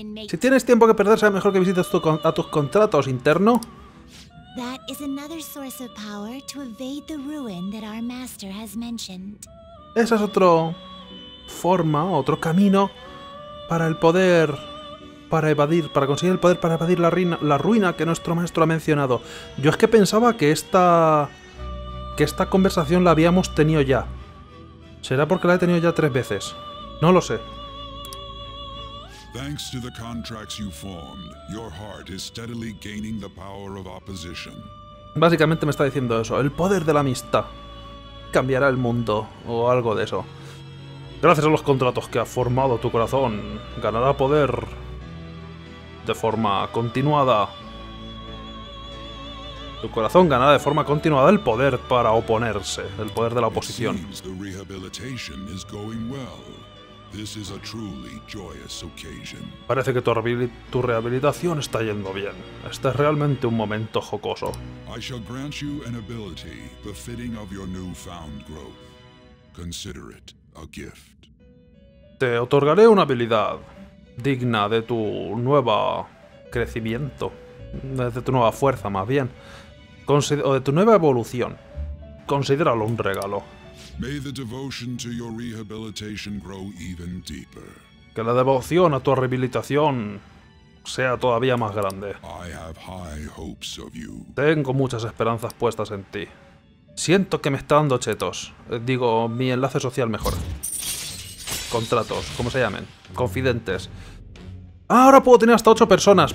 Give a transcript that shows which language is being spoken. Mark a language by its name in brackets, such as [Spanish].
[Spanish] Si tienes tiempo que perder, será mejor que visites a tus contratos interno. [English] That is another source of power to evade the ruin that our master has mentioned. [Spanish] Esa es otra forma, otro camino para el poder, para evadir, para conseguir el poder para evadir la ruina que nuestro maestro ha mencionado. Yo es que pensaba que esta conversación la habíamos tenido ya. ¿Será porque la he tenido ya tres veces? No lo sé. [English] Thanks to the contracts you formed, your heart is steadily gaining the power of opposition. [Spanish] Básicamente me está diciendo eso, el poder de la amistad cambiará el mundo o algo de eso. Gracias a los contratos que ha formado tu corazón, ganará poder de forma continuada. Tu corazón ganará de forma continuada el poder para oponerse, el poder de la oposición. Parece que la rehabilitación está yendo bien. [English] This is a truly joyous occasion. [Spanish] Parece que tu rehabilitación está yendo bien. Este es realmente un momento jocoso. [English] I shall grant you an ability befitting of your newfound growth. Consider it a gift. [Spanish] Te otorgaré una habilidad digna de tu nueva crecimiento, de tu nueva fuerza más bien, o de tu nueva evolución. Considéralo un regalo. [English] May the devotion to your rehabilitation grow even deeper. [Spanish] Que la devoción a tu rehabilitación sea todavía más grande. [English] I have high hopes of you. [Spanish] Tengo muchas esperanzas puestas en ti. Siento que me está dando chetos. Digo, mi enlace social mejor. Contratos, como se llamen. Confidentes. Ah, ahora puedo tener hasta 8 personas.